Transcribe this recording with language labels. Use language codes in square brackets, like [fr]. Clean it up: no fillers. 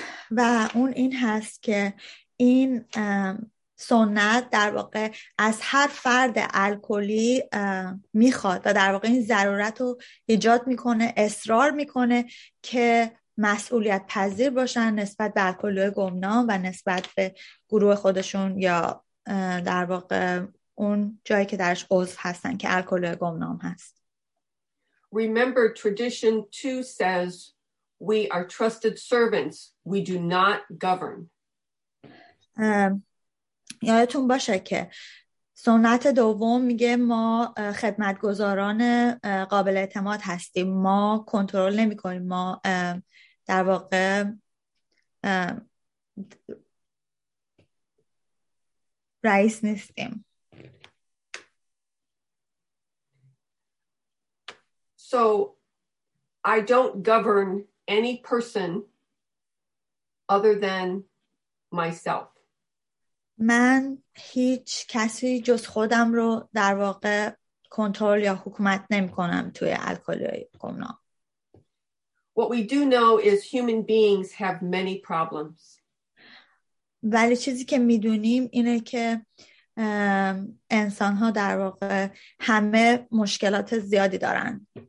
[fa] و اون این هست که این سنت در واقع از هر فرد الکلی میخواد و در واقع این ضرورت رو ایجاد میکنه، اصرار میکنه که مسئولیت پذیر باشن نسبت به الکلی گمنام و نسبت به گروه خودشون یا در واقع اون جایی که درش عضو هستن که الکلی گمنام هست. [en] Remember tradition 2 says we are trusted servants, we do not govern. [fa] یادتون باشه که سنت دوم میگه ما خدمتگزاران قابل اعتماد هستیم، ما کنترل نمی کنیم، ما در واقع رئیس نیستیم. [en] So I don't govern any person other than myself. [fa] من هیچ کسی جز خودم رو در واقع کنترل یا حکومت نمی کنم توی الکلی گمنام. [en] What we do know is human beings have many problems. [fa] ولی چیزی که میدونیم اینه که انسان‌ها در واقع همه مشکلات زیادی دارن.